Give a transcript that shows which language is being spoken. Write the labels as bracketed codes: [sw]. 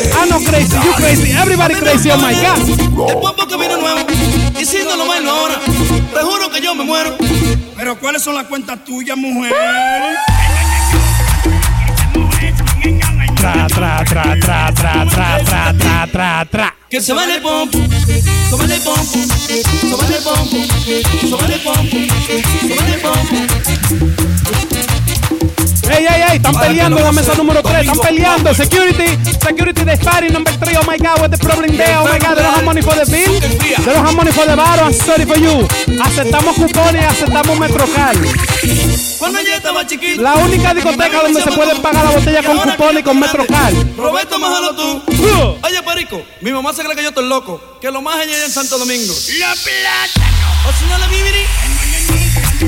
[en] I'm not crazy, you crazy, everybody crazy, oh my God. [es] El popo que viene nuevo, y si no lo bailo ahora, te juro que yo me muero. Pero ¿cuáles son las cuentas tuyas, mujer? Tra, tra, tra, tra, tra, tra, tra, tra, tra, tra. Que se vale popo, se vale popo, se vale popo, se vale popo, se vale popo. ¡Ey, ey, ey! Están peleando en la mesa número 3. Están peleando. Security. [en] Security de Spari number 3. Oh, my God. What's the problem there? Oh, my God. They don't have money for the bill. They don't have money for the bar. I'm sorry for you. [es] Aceptamos cupones y aceptamos MetroCard. Cuando yo estaba chiquito. La única discoteca donde se puede pagar la botella con cupones y con MetroCard. Roberto, májalo tú. Oye, perico. Mi mamá se cree que yo estoy loco. Que lo más genial en Santo Domingo. La plata. O si no, la vivirí.